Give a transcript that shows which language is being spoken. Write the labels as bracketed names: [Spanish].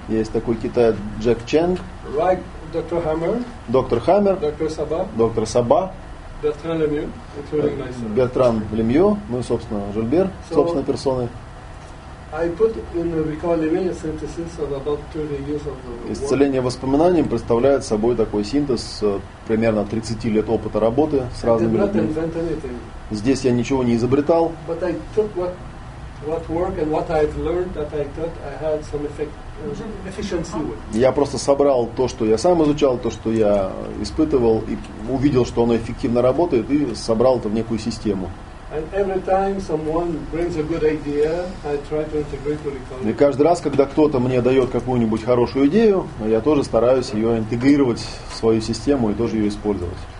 [Russian] Есть такой китаец Джек Чен. [English] Right, Dr. Hammer. [Russian] Доктор Хаммер. Доктор Саба. Доктор Саба. Бертран Лемью. Бертран Лемью. Ну и, собственно, Жульбер, [English] so, [Russian] собственной персоной. [English] I put in the recalling a synthesis of about 30 years of the work. [Russian] Исцеление воспоминанием представляет собой такой синтез примерно 30 лет опыта работы с разными людьми. Здесь я ничего не изобретал. [English] But I took what work and what I've learned that I thought I had some efficiency with. [Russian] Я просто собрал то, что я сам изучал, то, что я испытывал, и увидел, что оно эффективно работает, и собрал это в некую систему. [English] And every time someone brings a good idea, I try to integrate to recalling. [Russian] И каждый раз, когда кто-то мне дает какую-нибудь хорошую идею, я тоже стараюсь ее интегрировать в свою систему и тоже ее использовать.